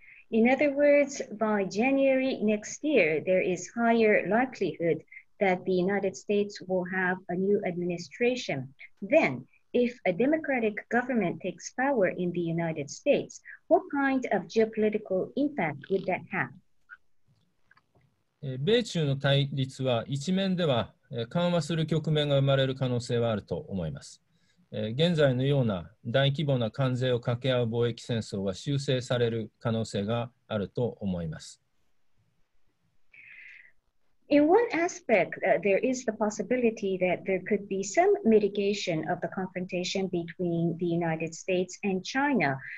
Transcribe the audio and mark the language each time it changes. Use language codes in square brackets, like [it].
[en] In other words, by January next year, there is higher likelihood that the United States will have a new administration. Then, if a democratic government takes power in the United States, what kind of geopolitical impact would that have? [ja] 米中の対立は一面では緩和する局面が生まれる可能性はあると思います。現在のような大規模な関税を掛け合う貿易戦争は修正される可能性があると思います。 [en] In one aspect, there is the possibility that there could be some mitigation of the confrontation between the United States and China.